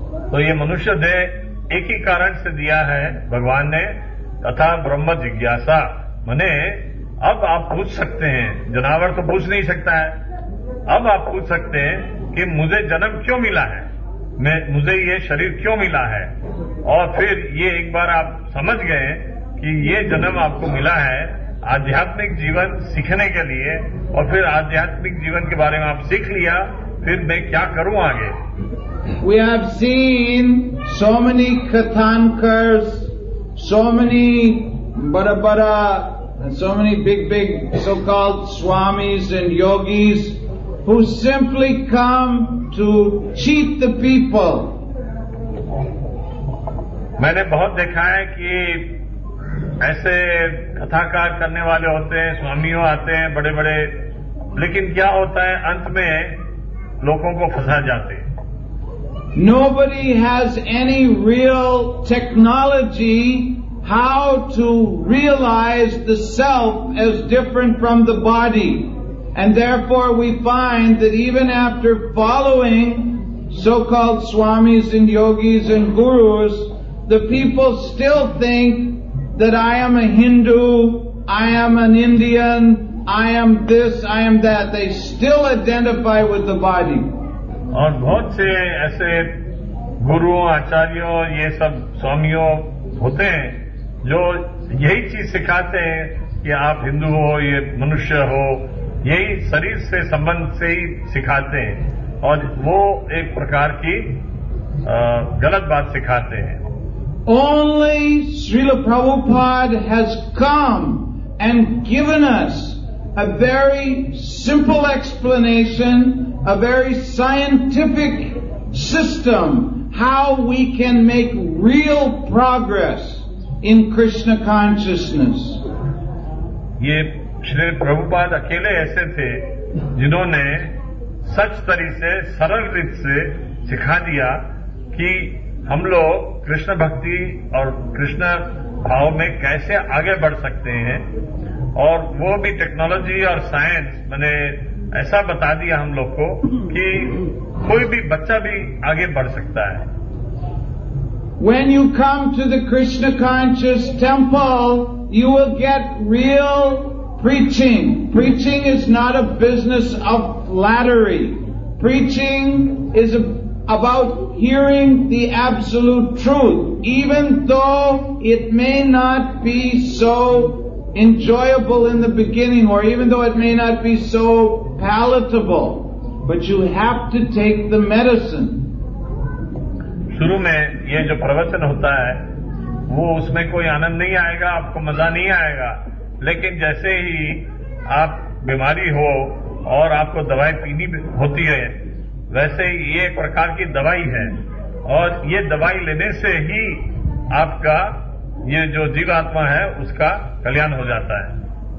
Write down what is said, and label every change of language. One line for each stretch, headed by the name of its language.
Hindi: तो ये मनुष्य देह एक ही कारण से दिया है भगवान ने, तथा ब्रह्म जिज्ञासा, मने अब आप पूछ सकते हैं, जानवर तो पूछ नहीं सकता है, अब आप पूछ सकते हैं कि मुझे जन्म क्यों मिला है, मुझे ये शरीर क्यों मिला है। और फिर ये एक बार आप समझ गए कि ये जन्म आपको मिला है आध्यात्मिक जीवन सीखने के लिए, और फिर आध्यात्मिक जीवन के बारे में आप सीख लिया, फिर मैं क्या करूं आगे।
English: We have seen so many kathankars, so many
Hindi: bada bada,
English: and so many big big so-called swamis and yogis who simply come to cheat the people.
Hindi: मैंने बहुत देखा है कि ऐसे कथाकार करने वाले होते हैं, स्वामियों आते हैं बड़े बड़े, लेकिन क्या होता है अंत में लोगों को फंसा जाते हैं।
English: Nobody has any real technology how to realize the self as different from the body, and therefore we find that even after following so-called swamis and yogis and gurus, the people still think that I am a Hindu, I am an Indian, I am this, I am that. They still identify with the body.
Hindi: और बहुत से ऐसे गुरुओं आचार्यों ये सब स्वामियों होते हैं जो यही चीज सिखाते हैं कि आप हिंदू हो, ये मनुष्य हो, यही शरीर से संबंध से ही सिखाते हैं, और वो एक प्रकार की गलत बात सिखाते हैं।
English: Only Srila Prabhupada has come and given us a very simple explanation, a very scientific system how we can make real progress in Krishna consciousness.
Hindi: ये श्री प्रभुपाद अकेले ऐसे थे जिन्होंने सच तरीके से सरल रीत से सिखा दिया कि हम लोग कृष्ण भक्ति और कृष्ण भाव में कैसे आगे बढ़ सकते हैं, और वो भी टेक्नोलॉजी और साइंस मैंने ऐसा बता दिया हम लोग को कि कोई भी बच्चा भी आगे बढ़ सकता है।
English: When you come to the Krishna conscious temple, you will get real preaching. Preaching is not a business of flattery. Preaching is about hearing the absolute truth, even though it may not be so enjoyable in the beginning, or even though it may not be so palatable, but you have to take the medicine.
Hindi: शुरू में ये जो प्रवचन होता है वो उसमें कोई आनंद नहीं आएगा, आपको मजा नहीं आएगा, लेकिन जैसे ही आप बीमारी हो और आपको दवाई पीनी होती है, वैसे ही ये एक प्रकार की दवाई है, और ये दवाई लेने से ही आपका ये जो जीवात्मा है उसका कल्याण हो जाता है।